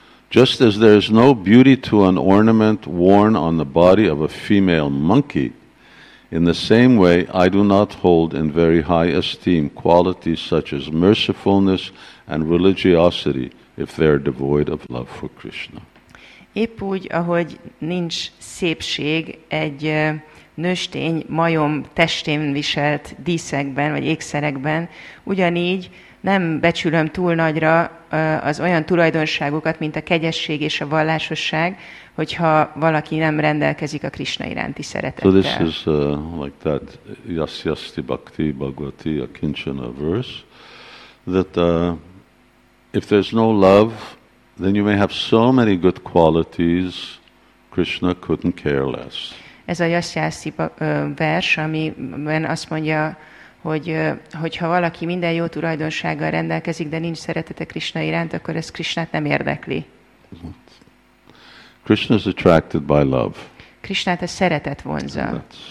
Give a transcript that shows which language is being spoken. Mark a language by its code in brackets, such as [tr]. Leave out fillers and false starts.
[en] Just as there is no beauty to an ornament worn on the body of a female monkey, in the same way, I do not hold in very high esteem qualities such as mercifulness and religiosity if they are devoid of love for Krishna. [hu] Épp úgy, ahogy nincs szépség egy nőstény majom testén viselt díszekben vagy ékszerekben, ugyanígy nem becsülöm túl nagyra az olyan tulajdonságokat, mint a kegyesség és a vallásosság, hogyha valaki nem rendelkezik a Krishna iránti szeretettel. [en] So this is like that [sa] yasyasti bhakti bhagavati akinchana [en] verse, that if there's no love, then you may have so many good qualities, Krishna couldn't care less. [hu] Ez a yasyasti vers, amiben azt mondja, hogyha valaki minden jó tulajdonsággal rendelkezik, de nincs szeretete Krishna iránt, akkor ez Krishnát nem érdekli. [en] Krishna is attracted by love. [hu] Krishnát a szeretet vonza.